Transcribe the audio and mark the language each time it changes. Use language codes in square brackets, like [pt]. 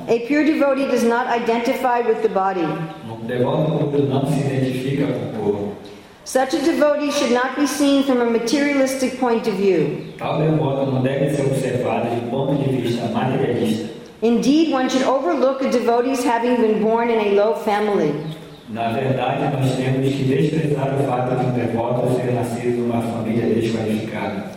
[en] A pure devotee does not identify with the body. [pt] Um devoto puro não se identifica com o corpo. [en] Such a devotee should not be seen from a materialistic point of view. [pt] Tal devoto não deve ser observado de ponto de vista materialista. [en] Indeed, one should overlook a devotee's having been born in a low family. [pt] Na verdade, nós temos que desprezar o fato de um devoto ser nascido numa família desqualificada.